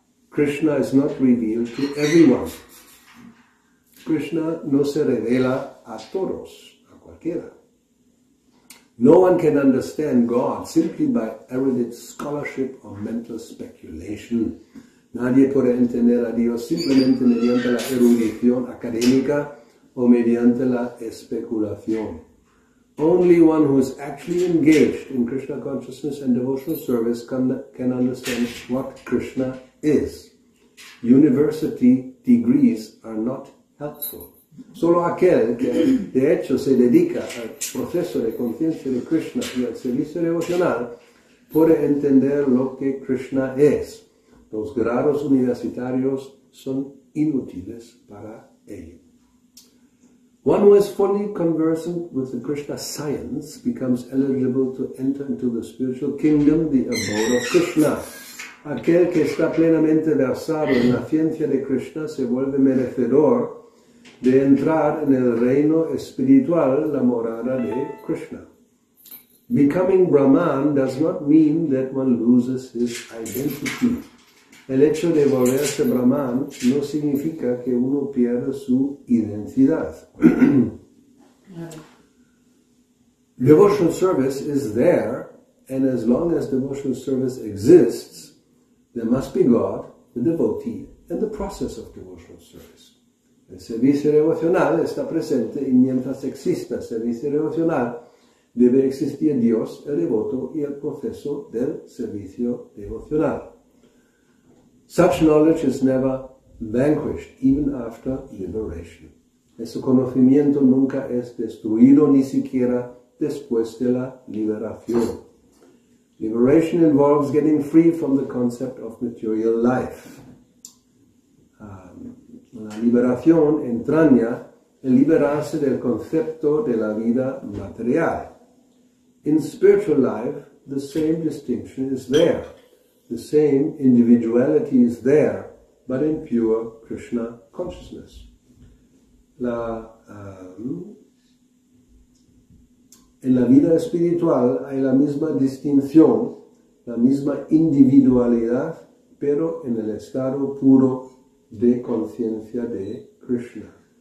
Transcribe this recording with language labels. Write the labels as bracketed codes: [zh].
[en] Krishna is not revealed to everyone. [es] Krishna no se revela a todos, a cualquiera. [en] No one can understand God simply by erudite scholarship or mental speculation. [es] Nadie puede entender a Dios simplemente mediante la erudición académica o mediante la especulación. [en] Only one who is actually engaged in Krishna consciousness and devotional service can understand what Krishna is. University degrees are not helpful. [es] Solo aquel que de hecho se dedica al proceso de conciencia de Krishna y al servicio devocional puede entender lo que Krishna es. Los grados universitarios son inútiles para él. [en] One who is fully conversant with the Krishna science becomes eligible to enter into the spiritual kingdom, the abode of Krishna. [es] Aquel que está plenamente versado en la ciencia de Krishna se vuelve merecedor de entrar en el reino espiritual, la morada de Krishna. [en] Becoming Brahman does not mean that one loses his identity. [es] El hecho de volverse Brahman no significa que uno pierda su identidad. [en] Devotional service is there, and as long as devotional service exists, there must be God, the devotee, and the process of devotional service. [es] El servicio devocional está presente, y mientras exista servicio devocional, debe existir Dios, el devoto, y el proceso del servicio devocional. [en] Such knowledge is never vanquished, even after liberation. [es] Ese conocimiento nunca es destruido, ni siquiera después de la liberación. [en] Liberation involves getting free from the concept of material life. [es] La liberación entraña el liberarse del concepto de la vida material. [en] In spiritual life, the same distinction is there. The same individuality is there, but in pure Krishna consciousness. [es] En la vida espiritual hay la misma distinción, la misma individualidad, pero en el estado puro de conciencia de Krishna.